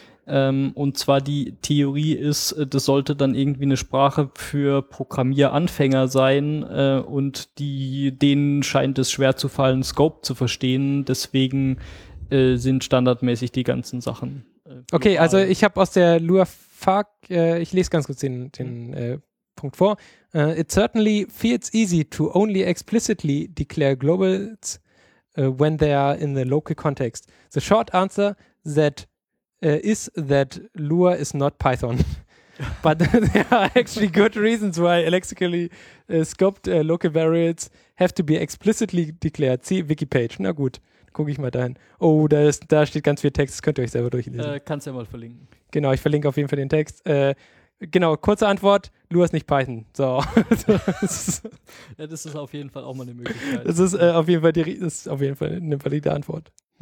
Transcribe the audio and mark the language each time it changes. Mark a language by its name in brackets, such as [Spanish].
[German] Und zwar die Theorie ist, das sollte dann irgendwie eine Sprache für Programmieranfänger sein und denen scheint es schwer zu fallen, Scope zu verstehen. Deswegen sind standardmäßig die ganzen Sachen. Okay, also ich habe aus der Lua-Fuck, ich lese ganz kurz den Punkt vor. [English] It certainly feels easy to only explicitly declare globals when they are in the local context. The short answer is that Lua is not Python. But there are actually good reasons why lexically scoped local variables have to be explicitly declared. See Wikipage. [German] Na gut. Gucke ich mal dahin. Oh, da steht ganz viel Text, das könnt ihr euch selber durchlesen. Kannst ja mal verlinken. Genau, ich verlinke auf jeden Fall den Text. Genau, kurze Antwort, Lua ist nicht Python. So. Das ist auf jeden Fall auch mal eine Möglichkeit. Das ist, auf jeden Fall eine valide Antwort.